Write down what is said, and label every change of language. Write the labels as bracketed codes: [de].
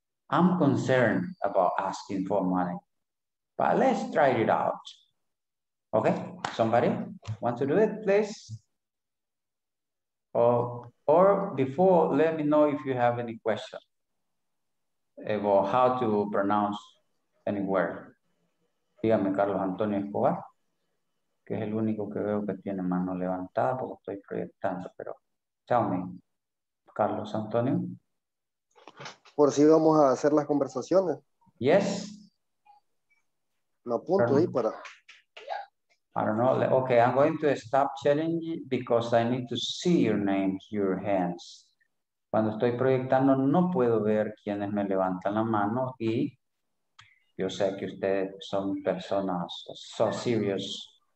[en] I'm concerned about asking for money, but let's try it out. Okay, somebody want to do it, please? Or before, let me know if you have any question about how to pronounce any word. [es] Dígame, Carlos Antonio Escobar. Que es el único que veo que tiene mano levantada porque estoy proyectando, pero [en] Tell me, Carlos Antonio. [es] Por si vamos a hacer las conversaciones. [en] Yes. [es] Lo apunto ahí para. [en] I don't know. Okay, I'm going to stop sharing because I need to see your names, your hands. [es] Cuando estoy proyectando, no puedo ver quiénes me levantan la mano y yo sé que ustedes son personas [en] so serious.